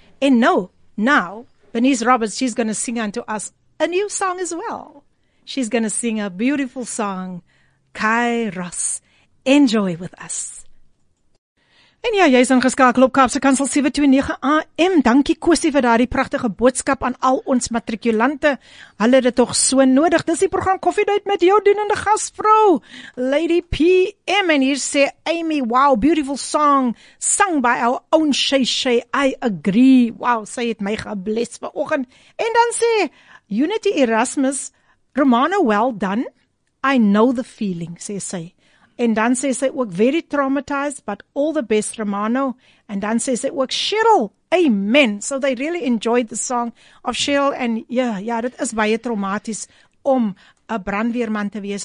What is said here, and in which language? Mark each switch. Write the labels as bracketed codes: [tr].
[en] And now, Bernice Roberts, she's going to sing unto us a new song as well. She's going to sing a beautiful song, Kairos. Enjoy with us. [af] En ja, jy is ingeskakel op Kaapse Kansel 729 AM. Dankie Kosie vir daardie pragtige boodskap aan al ons matrikulante. Hulle het dit tog so nodig. Dis die program Koffiedייט met jou dienende gasvrou, Lady PM. En hier sê Amy, [en] wow, beautiful song, sung by our own Shay Shay. I agree. [af] Wow, sy het my gebless vanoggend. En dan sê Unity Erasmus, Romano, [en] well done. I know the feeling, [af] sê sy. En dan sê sy ook, [en] very traumatized, but all the best, Romano. [af] En dan sê sy ook, Cheryl, amen. [en] So they really enjoyed the song of Cheryl. [af] En ja, dit is baie traumatisch om 'n brandweerman te wees.